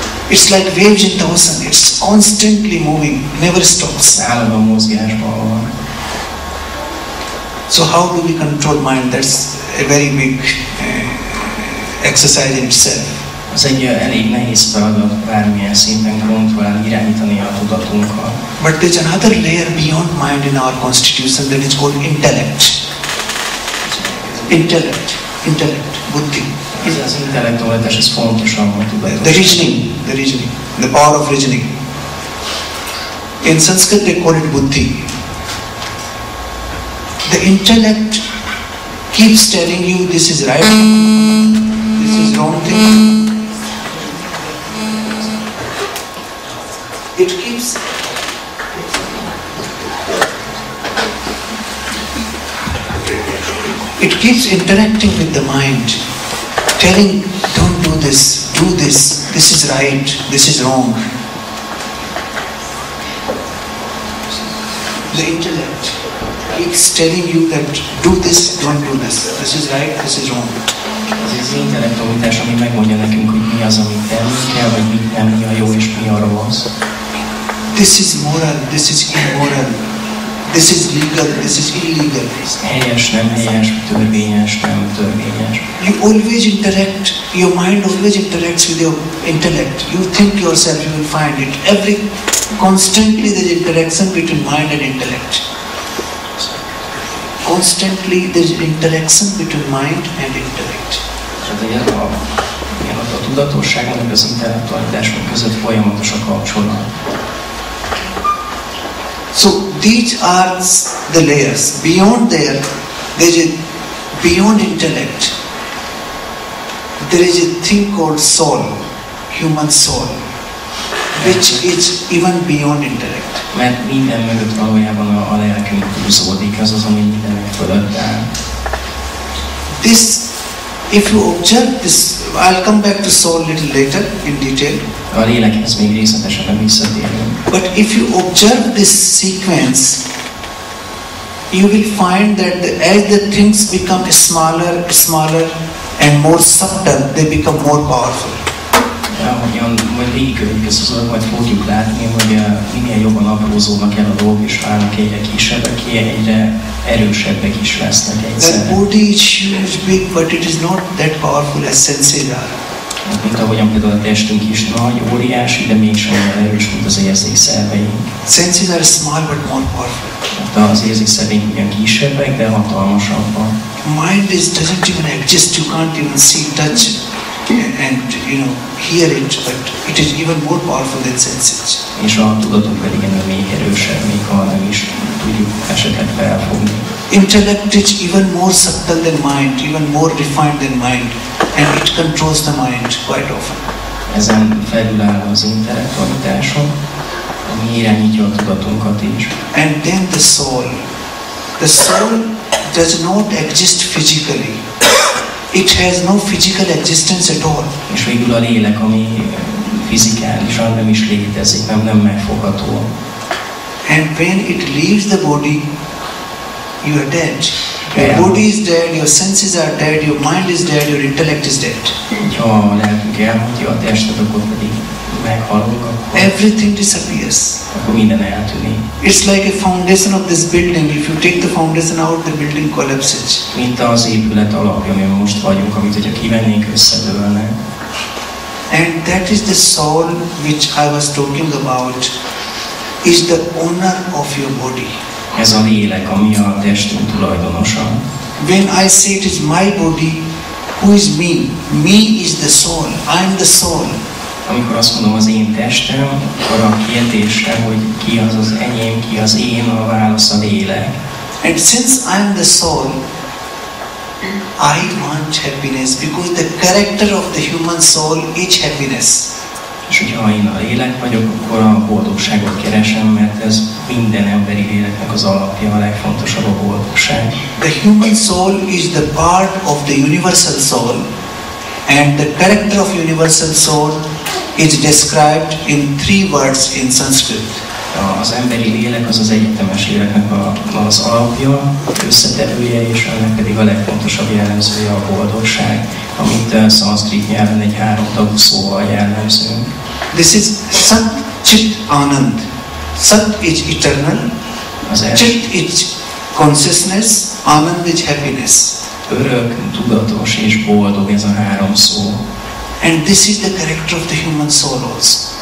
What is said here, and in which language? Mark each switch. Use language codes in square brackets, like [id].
[en] It's like waves in the ocean. It's constantly moving, never stops. [hu] Állam a mozgásban van. [en] So how do we control mind? That's a very big exercise in itself. [hu] Az egy elég nehéz feladat bármilyen szinten kontrollálni, irányítani a tudatunkkal. [en] But there's another layer beyond mind in our constitution that is called intellect. Intellect, buddhi. [hu] Ez az intellektualitás, ez fontosan a tudatunk. [en] The reasoning, the power of reasoning. In Sanskrit they call it buddhi. The intellect keeps telling you this is right, this is wrong thing. It keeps interacting with the mind, telling, don't do this, do this, this is right, this is wrong. The intellect keeps telling you that do this, don't do this, this is right, this is wrong. [hu] Ez az intellektualitás, ami megmondja nekünk, hogy mi az, amit tenni kell, vagy mit nem, mi a jó és mi a rossz. [en] This is moral, this is immoral. This is legal, this is illegal. [hu] Helyes, nem helyes, törvényes, nem törvényes. [en] You always interact, your mind always interacts with your intellect. You think yourself, you will find it. Every, constantly there is interaction between mind and intellect. Constantly there is interaction between mind and intellect. [hu] Tehát a tudatosságnak az intellektualitásunk között folyamatos a kapcsolat. [en] So these are the layers. Beyond there, there is a, beyond intellect, there is a thing called soul, human soul, which is even beyond intellect. [hu] Mert minden mögött valójában a lelkünk húzódik, az az, ami mindenek fölött áll. [en] This, if you observe this, I'll come back to soul a little later in detail. [hu] A lélekhez még részletesebben visszatérünk. [en] But if you observe this sequence, you will find that the, as the things become smaller and more subtle, they become more powerful. [hu] Majd végigkörünk ezt az adat, majd fogjuk látni, hogy minél jobban aprózódnak el a dolgok, és válnak egyre kisebbek, egyre erősebbek is lesznek egyszerre. [en] The body is huge, big, but it is not that powerful as senses are. [hu] Mint ahogyan például a testünk is nagy, óriási, de mégsem olyan erős, mint az érzékszerveink. [en] Senses are small, but more powerful. [hu] De az érzékszerveink ugyan kisebbek, de hatalmasabbak. [en] Mind is, doesn't even exist, you can't even see, touch, and you know, hear it, but it is even more powerful than senses. [hu] És a tudatunk pedig ennél még erősebb, még ha nem is tudjuk esetleg felfogni. [en] Intellect is even more subtle than mind, even more refined than mind, and it controls the mind quite often. [hu] Ezen felülálló az intellektualitáson, ami irányítja a tudatunkat is. [en] And then the soul. The soul does not exist physically. It has no physical existence at all. [hu] És végül a lélek, ami fizikálisan nem is létezik, nem megfogható. [en] And when it leaves the body, you are dead. Your body is dead, your senses are dead, your mind is dead, your intellect is dead. [hu] Ha a lelkünk elmondja a testet, akkor pedig meghalunk, akkor... [en] Everything disappears. [hu] Akkor minden eltűnik. [en] It's like a foundation of this building. If you take the foundation out, the building collapses. [hu] Mint az épület alapja, amiben most vagyunk, amit hogyha kivennénk, összedőlne. [en] And that is the soul which I was talking about, is the owner of your body. [hu] Ez a lélek, ami a testünk tulajdonosa. [en] When I say it is my body, who is me? Me is the soul. I am the soul. [hu] Amikor azt mondom, az én testem, akkor a kérdésre, hogy ki az az enyém, ki az én, a válasz a lélek. [en] And since I am the soul, I want happiness because the character of the human soul is happiness. [hu] És hogyha én a lélek vagyok, akkor a boldogságot keresem, mert ez minden emberi léleknek az alapja, a legfontosabb a boldogság. [en] The human soul is the part of the universal soul, and the character of universal soul is described in three words in Sanskrit. [hu] Az emberi lélek az az egyetemes léleknek az alapja, összetevője, és ennek pedig a legfontosabb jellemzője a boldogság, amit a szanszkrit nyelven egy három tagú szóval jellemzünk. [en] This is Sat Chit Anand. Sat is eternal, Chit is consciousness, Anand is happiness. [hu] Örök, tudatos és boldog ez a három szó. [en] And this is the character of the human soul also.